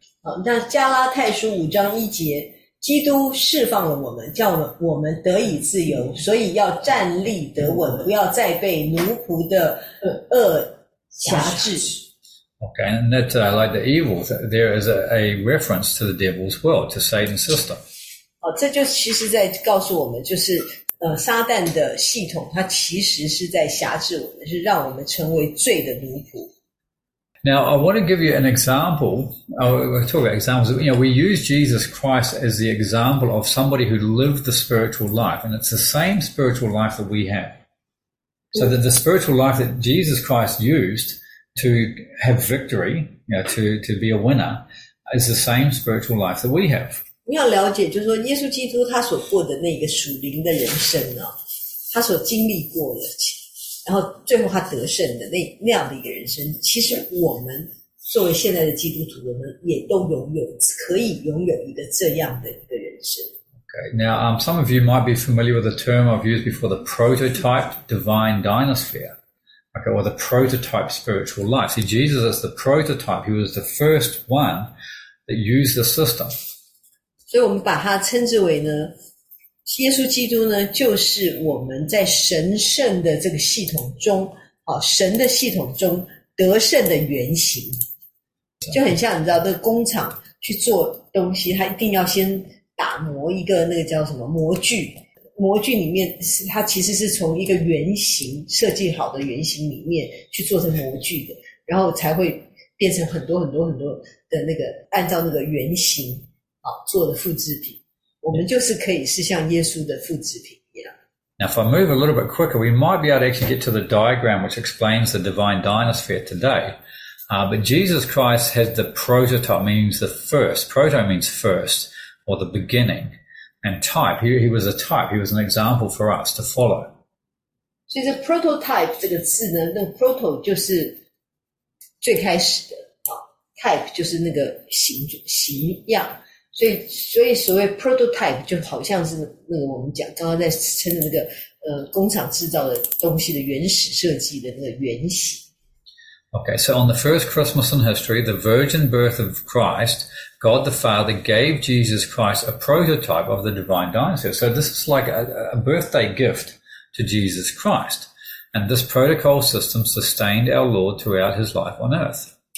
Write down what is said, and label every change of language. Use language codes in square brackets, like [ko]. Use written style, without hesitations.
[zh] 好，那加拉太书五章一节。基督释放了我们，叫我们得以自由，所以要站立得稳，不要再被奴仆的恶辖制。 [en] Okay, and that, like the evil, there is a reference to the devil's world, to Satan's system. [zh] 这就其实在告诉我们，就是撒旦的系统，它其实是在辖制我们，是让我们成为罪的奴仆。 [en] Now, I want to give you an example. We'll talk about examples. You know, we use Jesus Christ as the example of somebody who lived the spiritual life, and it's the same spiritual life that we have. So that the spiritual life that Jesus Christ used to have victory, you know, to be a winner, is the same spiritual life that we have. [zh] 你要了解，就是说耶稣基督他所过的那个属灵的人生啊，他所经历过的然后最后他得胜的那样的一个人生，其实我们作为现在的基督徒，我们也都拥有可以拥有一个这样的一个人生。 [en] Okay, now some of you might be familiar with the term I've used before, the prototype divine dynasphere. Okay, or the prototype spiritual life. See, Jesus is the prototype. He was the first one that used the system. [zh] 所以我们把它称之为呢。耶稣基督呢，就是我们在神圣的这个系统中，神的系统中得胜的原型，就很像你知道，那个工厂去做东西，它一定要先打磨一个那个叫什么模具，模具里面是它其实是从一个原型设计好的原型里面去做成模具的，然后才会变成很多很多很多的那个按照那个原型做的复制品。我们就是可以是像耶稣的复制品一样。 [en] Now, if I move a little bit quicker, we might be able to actually get to the diagram which explains the divine dynasphere today. But Jesus Christ has the prototype, means the first. Proto means first, or the beginning. And type, he was a type, he was an example for us to follow. [zh] 所以这 prototype 这个字呢，那 proto 就是最开始的 ，type 就是那个形样。所以所谓 prototype 就好像是那个我们讲刚刚在称的那个工厂制造的东西的原始设计的那个原型。 [en] Okay, so on the first Christmas in history, the virgin birth of Christ, God the Father gave Jesus Christ a prototype of the divine dynasty. So this is like a birthday gift to Jesus Christ. And this protocol system sustained our Lord throughout his life on earth.